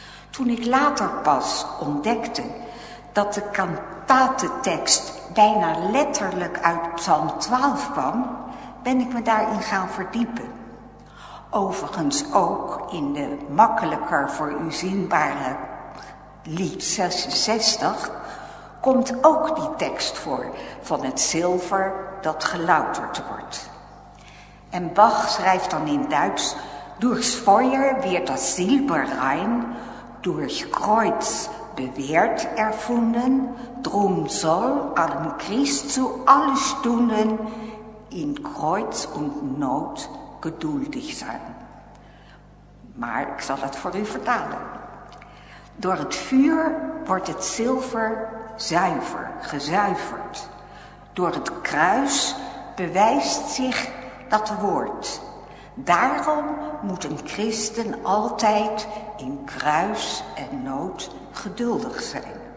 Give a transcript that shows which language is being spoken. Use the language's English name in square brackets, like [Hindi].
[Dutch] Toen ik later pas ontdekte dat de kantatentekst bijna letterlijk uit Psalm 12 kwam, ben ik me daarin gaan verdiepen. Overigens ook in de makkelijker voor u zinbare lied 66... komt ook die tekst voor van het zilver dat gelouterd wordt. En Bach schrijft dan in Duits: [German] Durchs Feuer wird das Silber rein, durch Kreuz bewährt erfunden, drum soll allem Christ zu alle Stunden in Kreuz und Not geduldig sein. [Dutch] Maar ik zal het voor u vertalen. Door het vuur wordt het zilver zuiver, gezuiverd. Door het kruis bewijst zich dat woord. Daarom moet een christen altijd in kruis en nood geduldig zijn.